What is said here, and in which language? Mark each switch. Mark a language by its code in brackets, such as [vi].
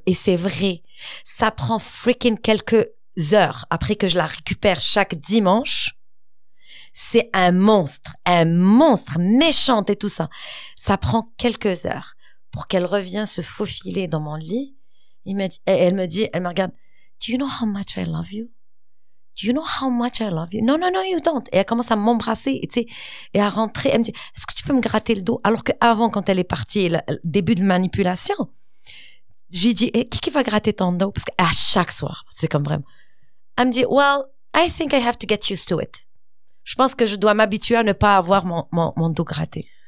[fr] Et c'est vrai, ça prend freaking quelques heures après que je la récupère chaque dimanche. C'est un monstre méchant et tout ça. Ça prend quelques heures pour qu'elle revienne se faufiler dans mon lit. [en] Elle me regarde, « Do you know how much I love you? » Do you know how much I love you? [fr] No, no, no, you don't. Et elle commence à m'embrasser, tu sais, et à rentrer. Elle me dit, est-ce que tu peux me gratter le dos? Alors qu'avant, quand elle est partie, le début de manipulation, je lui dis, qui va gratter ton dos? Parce qu'à chaque soir, c'est comme vraiment. Elle me dit, well, I think I have to get used to it. Je pense que je dois m'habituer à ne pas avoir mon dos gratté.